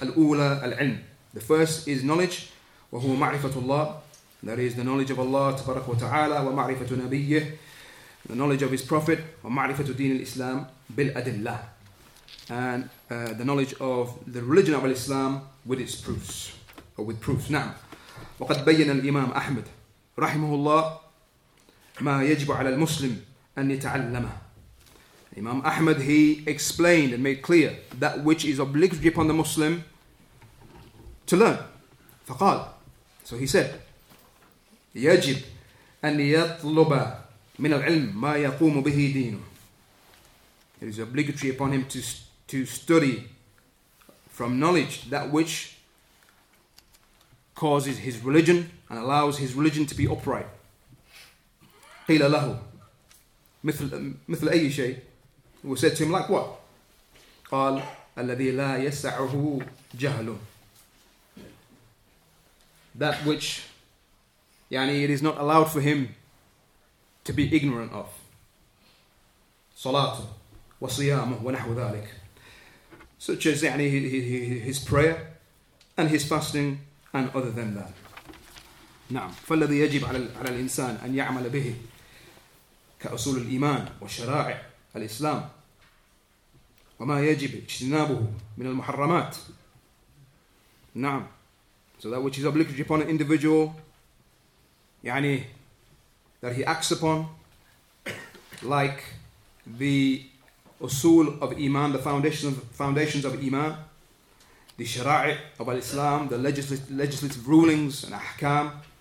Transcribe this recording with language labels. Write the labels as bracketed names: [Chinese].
[Arabic] Al-ula al-ilm. [English] The first is knowledge. [Arabic] وَهُوَ مَعْرِفَةُ اللَّهِ. [English] That is the knowledge of Allah, [Arabic] تَبَارَكَ وَتَعَالَى, وَمَعْرِفَةُ نَبِيِّهِ. [English] The knowledge of his prophet. [Arabic] وَمَعْرِفَةُ دِينِ الْإِسْلَامِ بِالْأَدِلَّةِ. [English] And the knowledge of the religion of Islam with its proofs, or with proofs. [Arabic] نعم. وقد بين الإمام أحمد رحمه الله ما يجب على المسلم أن يتعلمه. [English] Imam Ahmad, he explained and made clear that which is obligatory upon the Muslim to learn. [Arabic] فقال. [English] So he said, [Arabic] يجب أن يطلب من العلم ما يقوم به دينه. [English] It is obligatory upon him to study from knowledge that which causes his religion and allows his religion to be upright. [Arabic] قيل له مثل أي شيء. [English] We said to him, like what? [Arabic] قال الذي لا يسعه جهله. [English] That which, [Arabic] يعني, [English] it is not allowed for him to be ignorant of. [Arabic] صلاته وصيامه ونحو ذلك. [English] Such as [Arabic] يعني, [English] his prayer and his fasting and other than that. [Arabic] نعم. فالذي يجب على الإنسان أن يعمل به كأصول الإيمان وشرائع الإسلام وما يجب اجتنابه من المحرمات. نعم. [English] So that which is obligatory upon an individual, [Arabic] يعني, [English] that he acts upon, like the usul of iman, the foundations of iman, the shara'i of al-Islam, the legislative rulings and ahkam,